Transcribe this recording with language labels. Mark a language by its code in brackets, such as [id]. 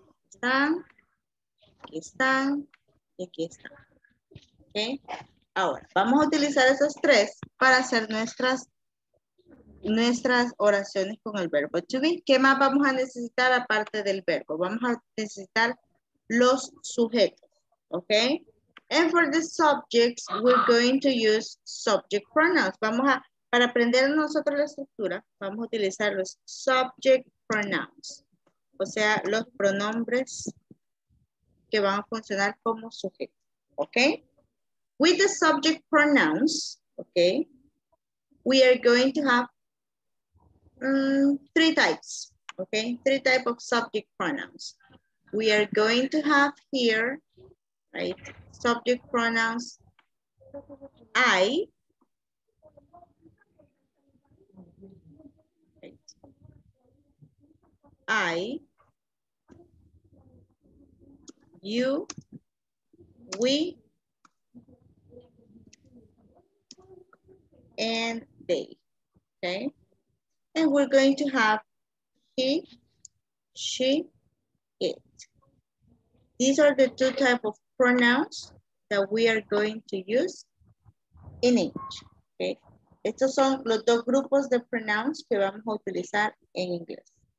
[es] Están, aquí están, y aquí están. Okay? Ahora, vamos a utilizar esos tres para hacer nuestras oraciones con el verbo to be. ¿Qué más vamos a necesitar aparte del verbo? Vamos a necesitar los sujetos, okay? [en] And for the subjects, we're going to use subject pronouns. [es] Vamos a, para aprender nosotros la estructura, vamos a utilizar los [en] subject pronouns. [es] O sea, los pronombres que van a funcionar como sujeto, okay? [en] With the subject pronouns, okay, we are going to have three types, okay? Three types of subject pronouns. We are going to have here, right, subject pronouns, I, right, I, you, we, and they, okay? And we're going to have he, she, it. These are the two types of pronouns that we are going to use in English, okay? [es] Estos son los dos grupos de pronouns que vamos a utilizar en inglés.